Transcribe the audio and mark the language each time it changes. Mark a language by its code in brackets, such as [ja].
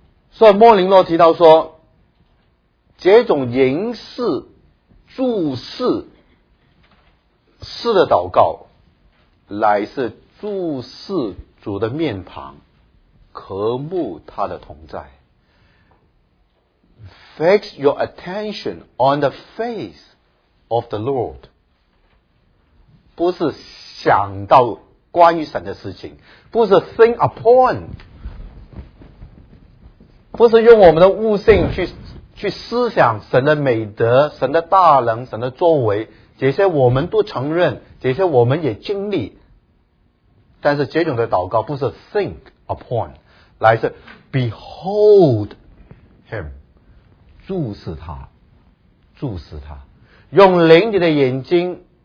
[zh] 所以莫林诺提到说，这种凝视、注视式的祷告，乃是注视主的面庞，渴慕他的同在。 [en] Fix your attention on the face of the Lord， [zh] 不是想到关于神的事情，不是 [en] think upon。 [zh] 不是用我们的悟性去思想神的美德、神的大能、神的作为，这些我们都承认，这些我们也经历。但是这种的祷告不是 [en] think upon， [zh] 乃是 [en] behold him， [zh] 注视他，注视他，用灵里的眼睛